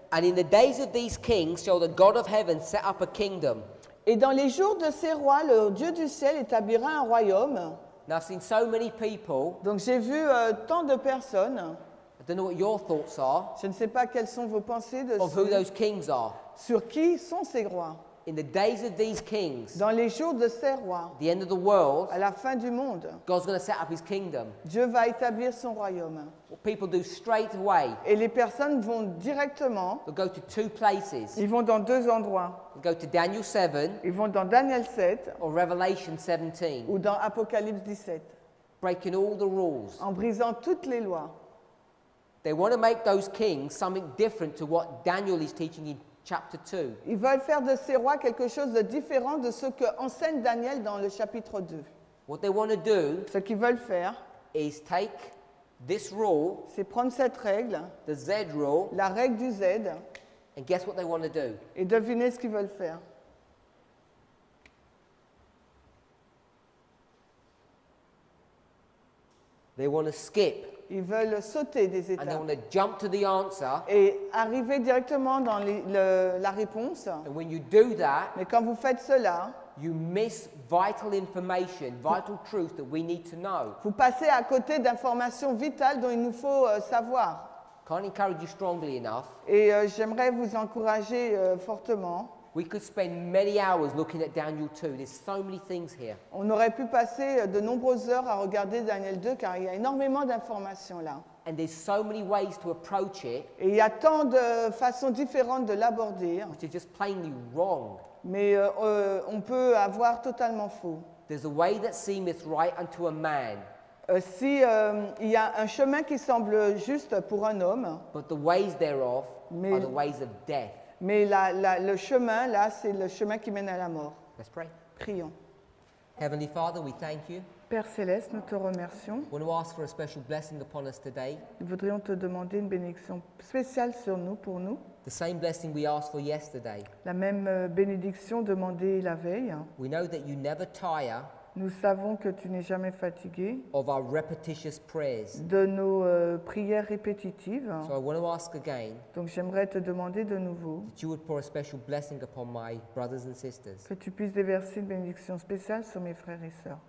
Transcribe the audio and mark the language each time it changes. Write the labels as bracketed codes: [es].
[en] And in the days of these kings, shall the God of heaven set up a kingdom. [fr] Et dans les jours de ces rois, le Dieu du ciel établira un royaume. [en] Now I've seen so many people. [fr] Donc j'ai vu tant de personnes. [en] I don't know what your thoughts are. [fr] Je ne sais pas quelles sont vos pensées de. [en] Of who those kings are. [fr] Sur qui sont ces rois? [en] In the days of these kings, [fr] dans les jours de ces rois, [en] the end of the world, [fr] à la fin du monde, [en] God's going to set up his kingdom. [fr] Dieu va établir son royaume. [en] What people do straight away. [fr] Et les personnes vont directement. [en] They'll go to two places. [fr] Ils vont dans deux endroits. [en] They'll go to Daniel 7. [fr] Ils vont dans Daniel 7. [en] Or Revelation 17. [fr] Ou dans Apocalypse 17. [en] Breaking all the rules. [fr] En brisant toutes les lois. [en] They want to make those kings something different to what Daniel is teaching in Chapter 2. [fr] Ils veulent faire de ces rois quelque chose de différent de ce que enseigne Daniel dans le chapitre 2. [en] What they want to do, [fr] ce qu'ils veulent faire, [en] is take this rule, [fr] c'est prendre cette règle, [en] the Z rule, [fr] la règle du Z, [en] and guess what they want to do. [fr] Et devinez ce qu'ils veulent faire. [en] They want to skip. [fr] Ils veulent sauter des étapes. [en] And they want to jump to the answer. [fr] Et arriver directement dans la réponse. [en] And when you do that, [fr] mais quand vous faites cela, [en] you miss vital information, vital truth that we need to know. [fr] Vous passez à côté d'informations vitales dont il nous faut savoir. [en] can't encourage you strongly enough. [fr] Et j'aimerais vous encourager fortement. [en] We could spend many hours looking at Daniel 2. There's so many things here. [fr] On aurait pu passer de nombreuses heures à regarder Daniel 2 car il y a énormément d'informations là. [en] And there's so many ways to approach it. [fr] Et il y a tant de façons différentes de l'aborder. [en] Which is just plainly wrong. [fr] Mais on peut avoir totalement faux. [en] There's a way that seemeth right unto a man. [fr] Si il y a un chemin qui semble juste pour un homme. [en] But the ways thereof are the ways of death. [fr] Mais le chemin, là, c'est le chemin qui mène à la mort. [en] Let's pray. [fr] Prions. [en] Heavenly Father, we thank you. [fr] Père Céleste, nous te remercions. [en] We want to ask for a special blessing upon us today. [fr] Nous voudrions te demander une bénédiction spéciale sur nous, pour nous. [en] The same blessing we asked for yesterday. [fr] La même bénédiction demandée la veille. [en] We know that you never tire. [fr] Nous savons que tu n'es jamais fatigué [en] of our repetitious prayers. [fr] De nos prières répétitives. [en] So I want to ask again, [fr] donc j'aimerais te demander de nouveau [en] that you would pour a special blessing upon my brothers and sisters. [fr] Que tu puisses déverser une bénédiction spéciale sur mes frères et sœurs.